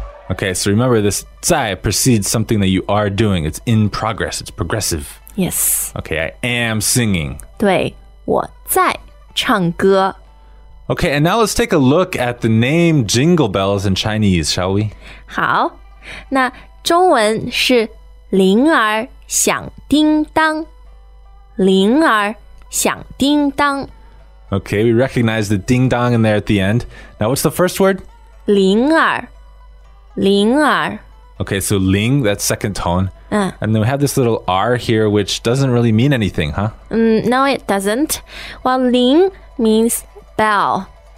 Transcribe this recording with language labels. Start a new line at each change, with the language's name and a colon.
English: Okay, so remember this 在 precedes something that you are doing. It's in progress. It's progressive. Yes. Okay, I am singing.
Chinese: 对,我在唱歌.
English: Okay, and now let's take a look at the name Jingle Bells in Chinese, shall we?
Chinese: 好, 那中文是铃儿响叮当, 铃儿响叮当.
English: Okay, we recognize the ding-dong in there at the end. Now, what's the first word?
Chinese: 铃儿, 铃儿.
English: Okay, so 铃, that's second tone. And then we have this little R here, which doesn't really mean anything, huh? No, it doesn't. Well, 铃 means bell.